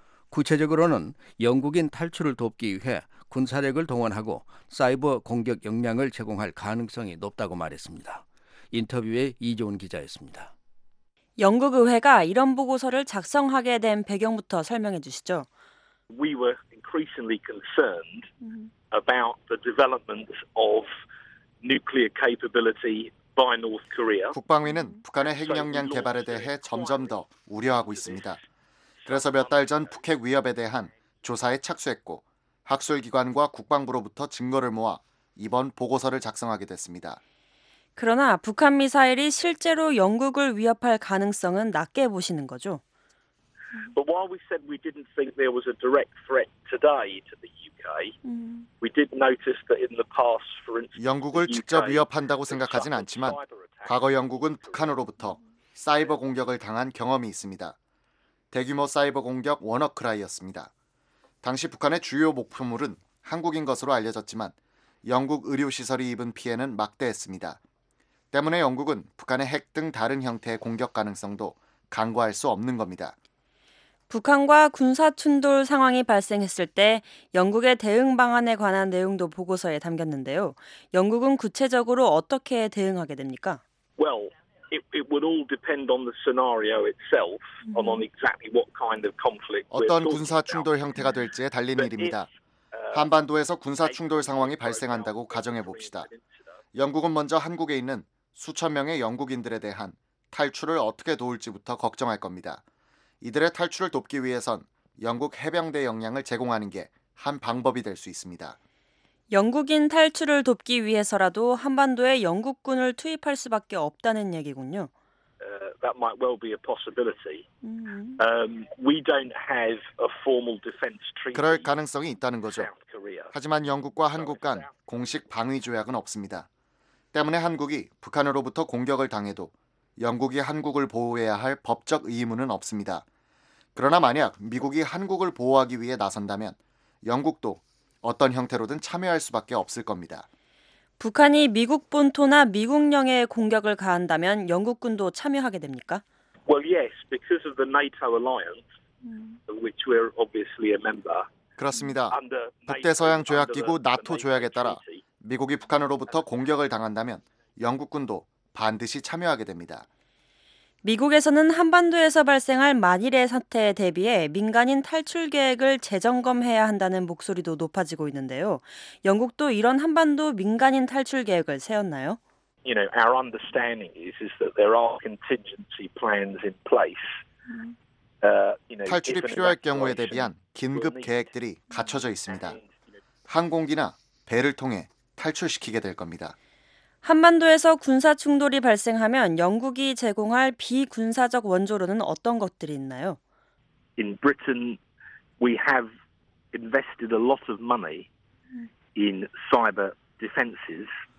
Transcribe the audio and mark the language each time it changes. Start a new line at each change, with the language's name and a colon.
Korean: 구체적으로는 영국인 탈출을 돕기 위해 군사력을 동원하고 사이버 공격 역량을 제공할 가능성이 높다고 말했습니다. 인터뷰에 이종훈 기자였습니다. 영국 의회가 이런 보고서를 작성하게 된 배경부터 설명해 주시죠.
English: We were increasingly concerned about the development of nuclear capability by North Korea.
Korean: 국방위는 북한의 핵 역량 개발에 대해 점점 더 우려하고 있습니다. 그래서 몇 달 전 북핵 위협에 대한 조사에 착수했고 학술기관과 국방부로부터 증거를 모아 이번 보고서를 작성하게 됐습니다. 그러나 북한 미사일이 실제로 영국을 위협할 가능성은 낮게 보시는 거죠?
English: But while we said we didn't think there was a direct threat today to the UK, we did notice that in the past, for instance,
Korean: 영국을 직접 위협한다고 생각하진 않지만 과거 영국은 북한으로부터 사이버 공격을 당한 경험이 있습니다. 대규모 사이버 공격 워너크라이였습니다. 당시 북한의 주요 목표물은 한국인 것으로 알려졌지만 영국 의료시설이 입은 피해는 막대했습니다. 때문에 영국은 북한의 핵 등 다른 형태의 공격 가능성도 간과할 수 없는 겁니다. 북한과 군사 충돌 상황이 발생했을 때 영국의 대응 방안에 관한 내용도 보고서에 담겼는데요. 영국은 구체적으로 어떻게 대응하게 됩니까?
English: Well, It would all depend on the scenario itself, on exactly what kind of conflict.
Korean: 어떤 군사 충돌 형태가 될지에 달린 일입니다. 한반도에서 군사 충돌 상황이 발생한다고 가정해 봅시다. 영국은 먼저 한국에 있는 수천 명의 영국인들에 대한 탈출을 어떻게 도울지부터 걱정할 겁니다. 이들의 탈출을 돕기 위해선 영국 해병대 역량을 제공하는 게 한 방법이 될 수 있습니다. 영국인 탈출을 돕기 위해서라도 한반도에 영국군을 투입할 수밖에 없다는 얘기군요.
English: That might well be a possibility. We don't have a formal defense treaty.
Korean: 그럴 가능성이 있다는 거죠. 하지만 영국과 한국 간 공식 방위 조약은 없습니다. 때문에 한국이 북한으로부터 공격을 당해도 영국이 한국을 보호해야 할 법적 의무는 없습니다. 그러나 만약 미국이 한국을 보호하기 위해 나선다면 영국도 어떤 형태로든 참여할 수밖에 없을 겁니다. 북한이 미국 본토나 미국 영해에 공격을 가한다면 영국군도 참여하게 됩니까?
English: Well, yes, because of the NATO alliance, which we're obviously a member.
Korean: 그렇습니다. 북대서양 조약기구 나토 조약에 따라 미국이 북한으로부터 공격을 당한다면 영국군도 반드시 참여하게 됩니다. 미국에서는 한반도에서 발생할 만일의 사태에 대비해 민간인 탈출 계획을 재점검해야 한다는 목소리도 높아지고 있는데요. 영국도 이런 한반도 민간인 탈출 계획을 세웠나요?
English: You know, our understanding is that there are contingency plans in place.
Korean: 탈출이 필요할 경우에 대비한 긴급 계획들이 갖춰져 있습니다. 항공기나 배를 통해 탈출시키게 될 겁니다. 한반도에서 군사 충돌이 발생하면 영국이 제공할 비군사적 원조로는 어떤 것들이 있나요?
English: In Britain, we have invested a lot of money in cyber defenses.